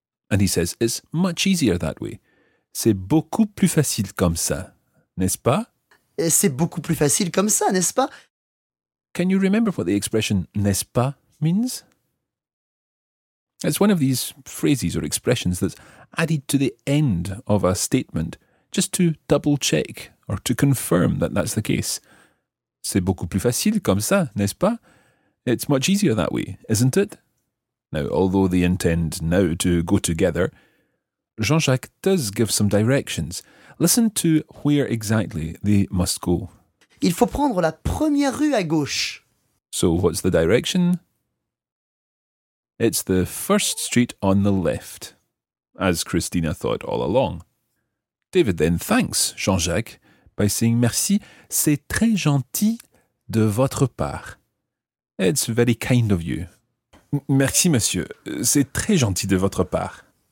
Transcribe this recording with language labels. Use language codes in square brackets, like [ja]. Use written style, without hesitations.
[en] And he says, it's much easier that way. [fr] C'est beaucoup plus facile comme ça, n'est-ce pas? C'est beaucoup plus facile comme ça, n'est-ce pas? [en] Can you remember what the expression n'est-ce pas means? It's one of these phrases or expressions that's added to the end of a statement just to double-check or to confirm that that's the case. [fr] C'est beaucoup plus facile comme ça, n'est-ce pas? [en] It's much easier that way, isn't it? Now, although they intend now to go together, Jean-Jacques does give some directions. Listen to where exactly they must go. [fr] Il faut prendre la première rue à gauche. [en] So what's the direction? It's the first street on the left, as Christina thought all along. David then thanks Jean-Jacques by saying [fr] merci, c'est très gentil de votre part. [en] It's very kind of you. [fr] Merci, monsieur. C'est très gentil de votre part.